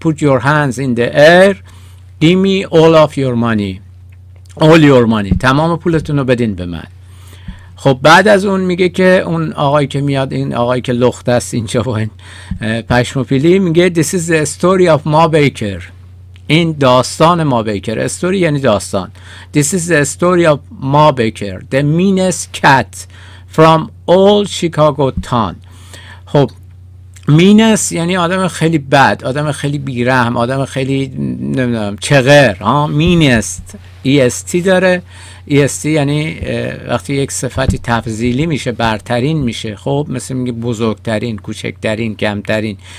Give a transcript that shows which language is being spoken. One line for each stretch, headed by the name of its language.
English: put your hands in the air. give me all of your money. all your money
Persian: تمام پولتون رو بدین به من. خب بعد از اون میگه که اون آقایی که میاد، این آقایی که لخت است اینجا و این پشموپیلی، میگه
English: This is the story of Ma Baker.
Persian: این داستان Ma Baker. استوری یعنی داستان.
English: This is the story of Ma Baker, the meanest cat from old Chicago town.
Persian: خب meanest یعنی آدم خیلی بد، آدم خیلی بیرحم، آدم خیلی نمیدونم چغر. meanest EST داره، EST یعنی وقتی یک صفتی تفضیلی میشه، برترین میشه. خب مثل میگه بزرگترین، کوچکترین، کمترین.